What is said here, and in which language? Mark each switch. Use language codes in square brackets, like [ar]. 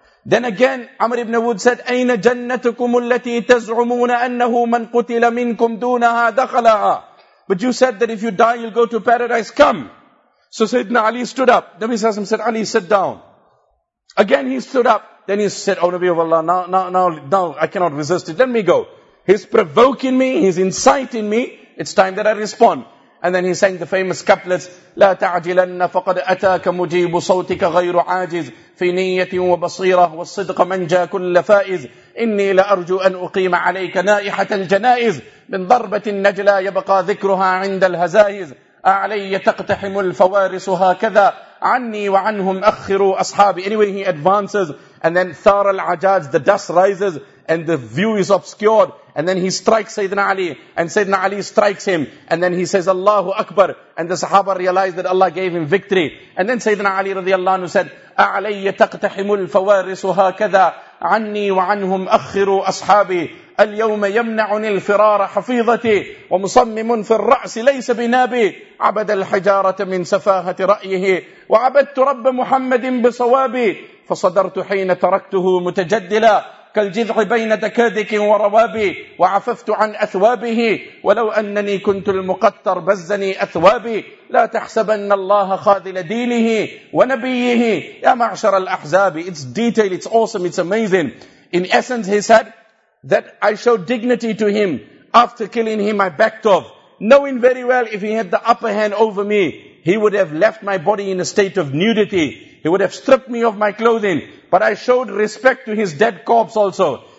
[en] Then again, Amr ibn Wud said, [ar] أَيْنَ جَنَّتُكُمُ الَّتِي تَزْعُمُونَ أَنَّهُ مَنْ قُتِلَ مِنْكُمْ دُونَهَا دَخَلَهَا [en] But you said that if you die, you'll go to paradise. Come. So Sayyidina Ali stood up. Nabi Sallallahu Alaihi Wasallam said, Ali, sit down. Again he stood up. Then he said, Oh Nabi of Allah, now I cannot resist it. Let me go. He's provoking me. He's inciting me. It's time that I respond. And then he sang the famous couplets, [ar] لَا تَعْجِلَنَّ فَقَدْ أَتَاكَ مُجِيبُ صَوْتِكَ غَيْرُ عَاجِزٍ فِي نِيَّةٍ وَبَصِيرَةٍ وَالصِّدْقَ مَنْ جَا كُلَّ فَائِزٍ إِنِّي لَأَرْجُو أَنْ أُقِيمَ عَلَيْكَ نَائِحَةَ الْجَنَائِزِ مِنْ ضَرْبَةِ النَّجْلَى يَبْقَى ذِكْرُهَا عِنْدَ الْهَزَائِزِ أَعْلَيَّ تَقْتَحِمُ الْفَوَارِسُ هَكَذَا عَنِّي وَعَنْهُمْ أَخِّرُوا أَصْحَابِ [en] Anyway, he advances, and then [ar] ثَارَ الْعَجَاجِ [en] The dust rises, and the view is obscured. And then he strikes Sayyidina Ali, and Sayyidina Ali strikes him. And then he says, Allahu Akbar. And the Sahaba realized that Allah gave him victory. And then Sayyidina Ali radiallahu anhu said, [ar] أَعْلَيَّ تَقْتَحِمُ الْفَوَارِسُ هَكَذَا عَنِّي وَعَنْهُمْ أَخِّرُوا أَصْحَابِي الْيَوْمَ يَمْنَعُنِ الْفِرَارَ حَفِيظَتِي وَمُصَمِّمٌ فِي الرَّأْسِ لَيْسَ بِنَابِي عَبَدَ الْحِجَارَةَ مِنْ سَفَاهَةِ رَأْيِهِ وَعَبَدْتُ رَبَّ مُحَمَّدٍ بِصَوَابِي فَصَدَرْتُ حِينَ تَرَكْتُهُ مُتَجَدِّلًا كالجذع بين دكادك وروابي وعففت عن أثوابه ولو أنني كنت المقتر بزني أثوابي لا تحسبن الله خاذل دينه ونبيه يا معشر الأحزاب [en] It's detailed, it's awesome, it's amazing. In essence, he said that I showed dignity to him. After killing him, I backed off. Knowing very well if he had the upper hand over me, he would have left my body in a state of nudity. He would have stripped me of my clothing. But I showed respect to his dead corpse also.